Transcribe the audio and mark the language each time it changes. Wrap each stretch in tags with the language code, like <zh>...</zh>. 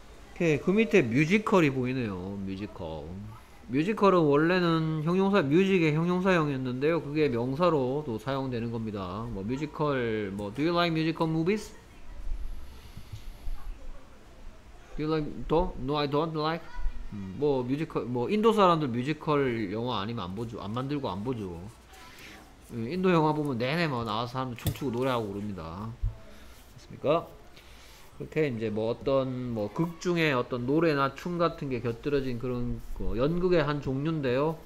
<ko>오케이, 그 밑에 뮤지컬이 보이네요. 뮤지컬. 뮤지컬은 원래는 형용사, 뮤직의 형용사형이었는데요. 그게 명사로도 사용되는 겁니다. 뭐 뮤지컬, 뭐</ko> <en>Do you like musical movies? Do you like, don't? No, I don't like.</en> <ko>뭐 뮤지컬, 뭐 인도 사람들 뮤지컬 영화 아니면 안 보죠. 안 만들고 안 보죠. 인도 영화 보면 내내 막 나와서 사람 춤추고 노래하고 그럽니다. 됐습니까? 그렇게 이제 뭐 어떤 뭐 극 중에 어떤 노래나 춤 같은 게 곁들여진 그런 뭐 연극의 한 종류인데요.</ko>